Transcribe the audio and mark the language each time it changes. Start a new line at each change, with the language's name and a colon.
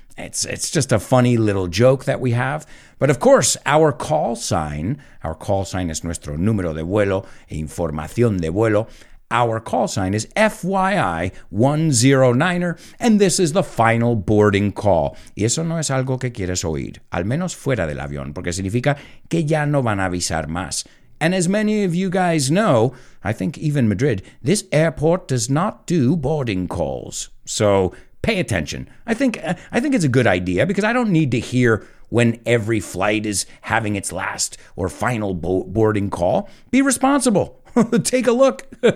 English: It's just a funny little joke that we have. But of course, our call sign is
Spanish: nuestro número de vuelo,
English: información de vuelo. Our call sign is FYI 109er, and this is the final boarding call.
Spanish: Y eso no es algo que quieres oír, al menos fuera del avión, porque significa que ya no van a avisar más.
English: And as many of you guys know, I think even Madrid, this airport does not do boarding calls. So pay attention. I think it's a good idea because I don't need to hear when every flight is having its last or final boarding call. Be responsible. Take a look.